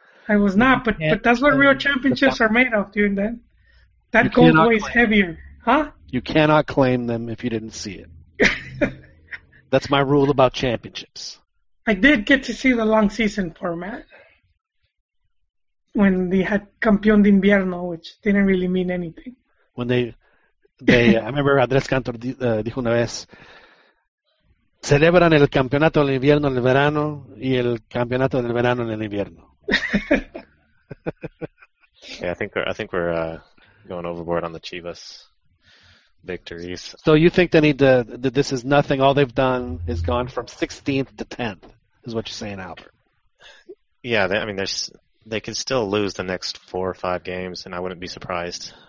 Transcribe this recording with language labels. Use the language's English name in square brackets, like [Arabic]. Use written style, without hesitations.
[English] I was not, but that's what real championships are made of, dude. Then that gold weighs heavier. Huh? You cannot claim them if you didn't see it. That's my rule about championships. I did get to see the long season format when they had Campeón de Invierno, which didn't really mean anything. When they I remember [Spanish] Andrés Cantor dijo una vez, celebran el campeonato del invierno en el verano y el campeonato del verano en el invierno. [English] Yeah, I think we're going overboard on the Chivas victories. So you think they need to? That this is nothing. All they've done is gone from 16th to 10th, is what you're saying, Albert? Yeah, they could still lose the next 4 or 5 games, and I wouldn't be surprised.